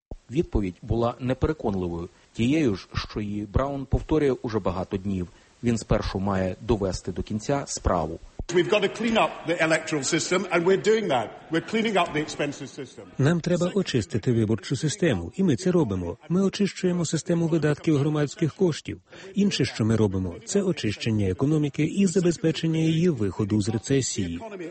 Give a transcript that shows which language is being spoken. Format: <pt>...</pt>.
<uk>Відповідь була непереконливою, тією ж, що її Браун повторює уже багато днів. Він спершу має довести до кінця справу.</uk> <en>We've got to clean up the electoral system, and we're doing that. We're cleaning up the expenses system.</en> <uk>Нам треба очистити виборчу систему, і ми це робимо. Ми очищуємо систему видатків громадських коштів. Інше, що ми робимо, це очищення економіки і забезпечення її виходу з рецесії.</uk>